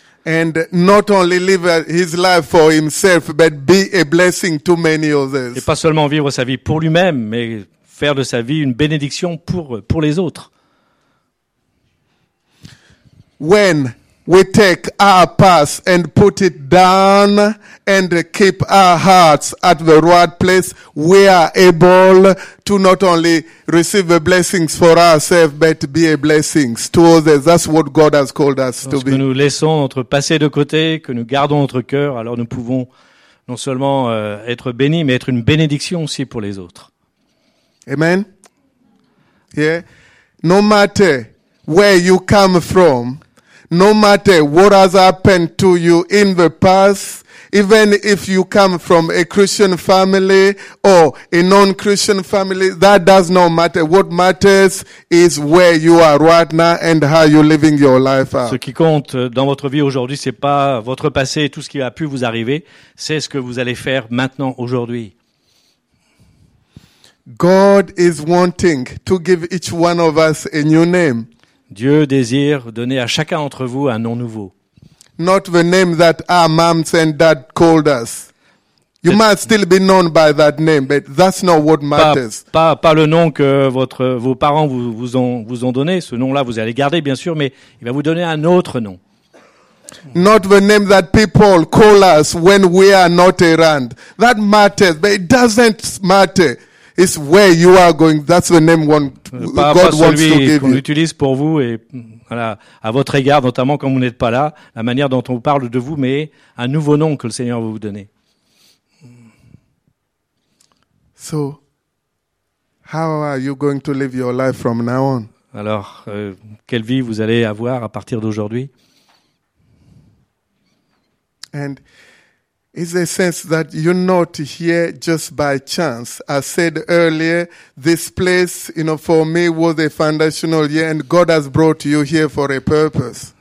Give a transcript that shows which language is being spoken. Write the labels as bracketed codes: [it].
[en] And not only live his life for himself, but be a blessing to many others. [fr] Et pas seulement vivre sa vie pour lui-même, mais faire de sa vie une bénédiction pour les autres. [en] When we take our past and put it down and keep our hearts at the right place, we are able to not only receive the blessings for ourselves, but be a blessing to others. That's what God has called us to be. [fr] Lorsque nous laissons notre passé de côté, que nous gardons notre cœur, alors nous pouvons non seulement être bénis, mais être une bénédiction aussi pour les autres. Amen. Yeah. [en] No matter where you come from, no matter what has happened to you in the past, even if you come from a Christian family or a non-Christian family, that does not matter. What matters is where you are right now and how you're living your life. [fr] Ce qui compte dans votre vie aujourd'hui, c'est pas votre passé et tout ce qui a pu vous arriver, c'est ce que vous allez faire maintenant aujourd'hui. [en] God is wanting to give each one of us a new name. [fr] Dieu désire donner à chacun d'entre vous un nom nouveau. [en] Not the name that our moms and dad called us. You might still be known by that name, but that's not what matters. [fr] Pas le nom que vos parents vous ont donné. Ce nom-là, vous allez garder, bien sûr, mais il va vous donner un autre nom. [en] Not the name that people call us when we are not around. That matters, but it doesn't matter. It's where you are going. That's the name God wants to give you. [fr] Qu'on utilise pour vous et voilà, à votre égard, notamment quand vous n'êtes pas là, la manière dont on parle de vous, mais un nouveau nom que le Seigneur va vous donner. [en] So, how are you going to live your life from now on? [fr] Alors, quelle vie vous allez avoir à partir d'aujourd'hui? [en] And it's a sense that you're not here just by chance. I said earlier, this place, you know, for me was a foundational year, and God has brought you here for a purpose.